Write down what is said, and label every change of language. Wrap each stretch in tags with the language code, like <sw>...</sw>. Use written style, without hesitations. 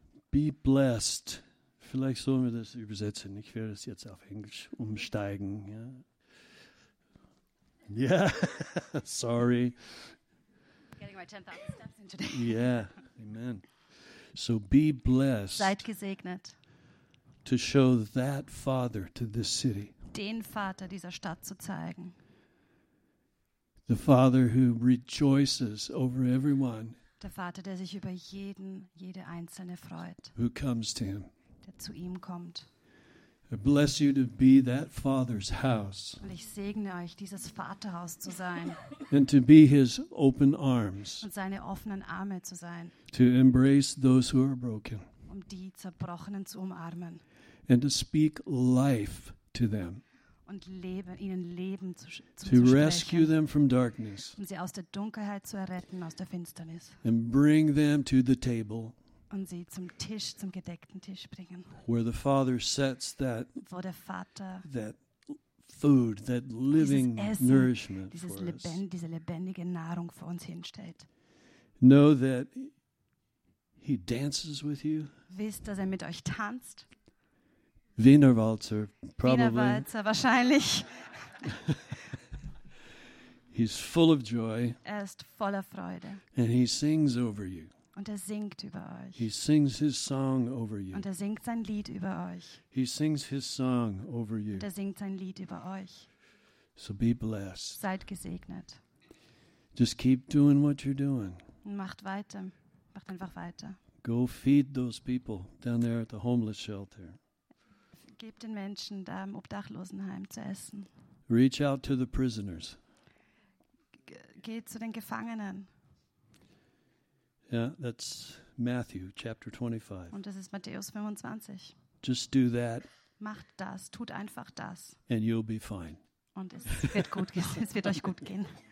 <en>Be blessed.</en> <de>Vielleicht sollen wir das übersetzen. Ich werde es jetzt auf Englisch umsteigen. Ja,</de> <en>yeah. Sorry. Getting my 10,000 steps in today. Yeah, amen. So be blessed.</en> <de>Seid gesegnet.</de> <en>To show that Father to this city.</en> <de>Den Vater dieser Stadt zu zeigen.</de> <en>The Father who rejoices over everyone.</en> <de>Der Vater, der sich über jeden, jede einzelne freut.</de> <en>Who comes to him.</en> <de>Der zu ihm kommt.</de> <en>I bless you to be that Father's house.</en> <de>Und ich segne euch, dieses Vaterhaus zu sein.</de> <en>And to be his open arms.</en> <de>Und seine offenen Arme zu sein.</de> <en>To embrace those who are broken.</en> <de>Um die Zerbrochenen zu umarmen.</de> <en>And to speak life to them.</en> <de>Und Leben, ihnen Leben zu sprechen.</de> <en>To rescue them from darkness.</en> <de>Um sie aus der Dunkelheit zu erretten, aus der Finsternis.</de> <en>And bring them to the table.</en> <de>Und sie zum Tisch, zum gedeckten Tisch bringen.</de> <en>Where the Father sets that,</en> <de>wo der Vater</de> <en>that food, that living</en> <de>dieses Essen,</de> <en>nourishment</en> <de>dieses</de> <en>for</en> <de>lebend,</de> <en>us.</en> <de>Diese lebendige Nahrung für uns hinstellt.</de> <en>Know that he dances with you.</en> <de>Wisst, dass er mit euch tanzt.</de> <en>Wiener Walzer, probably.</en> <de>Wiener Walzer, wahrscheinlich.</de> <en>He's full of joy.</en> <de>Er ist voller Freude.</de> <en>And he sings over you.</en> <de>Und er singt über euch.</de> <en>He sings his song over you.</en> <de>Und er singt sein Lied über euch.</de> <en>He sings his song over you.</en> <de>Und er singt sein Lied über euch.</de> <en>So be blessed.</en> <de>Seid gesegnet.</de> <en>Just keep doing what you're doing.</en> <de>Macht weiter. Macht einfach weiter.</de> <en>Go feed those people down there at the homeless shelter.</en> <de>Gebt den Menschen da im Obdachlosenheim zu essen.</de> <en>Reach out to the prisoners.</en> <de>Geht zu den Gefangenen.</de> <en>Yeah, that's Matthew chapter 25.</en> <de>Und das ist Matthäus 25.</de> <en>Just do that.</en> <de>Macht das, tut einfach das.</de> <en>And you'll be fine.</en> <de>Und es wird gut, es wird euch gut gehen.</de>